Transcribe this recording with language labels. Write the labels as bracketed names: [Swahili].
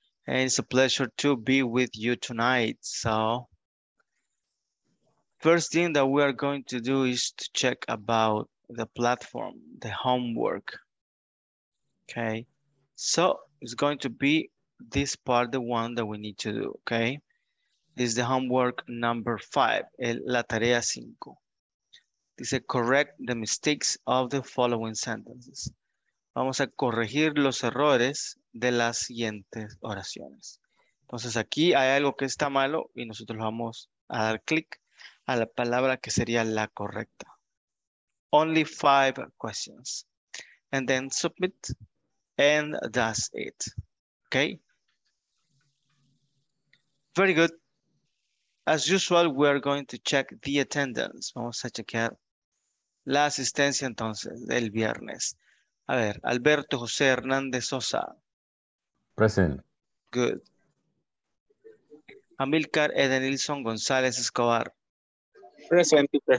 [English] And it's a pleasure to be with you tonight. So, first thing that we are going to do is to check about the platform, the homework. Okay, so it's going to be this part, the one that we need to do, okay? This is the homework number 5, [Spanish] la tarea 5. [English] Dice, correct the mistakes of the following sentences. [Spanish] Vamos a corregir los errores de las siguientes oraciones. Entonces aquí hay algo que está malo y nosotros vamos a dar clic a la palabra que sería la correcta. [English] Only 5 questions. And then submit. And that's it. Okay? Very good. As usual, we are going to check the attendance. [Spanish] Vamos a chequear la asistencia entonces del viernes. A ver, Alberto José Hernández Sosa. [English] Present. Good. Amilcar Edenilson González Escobar. Present.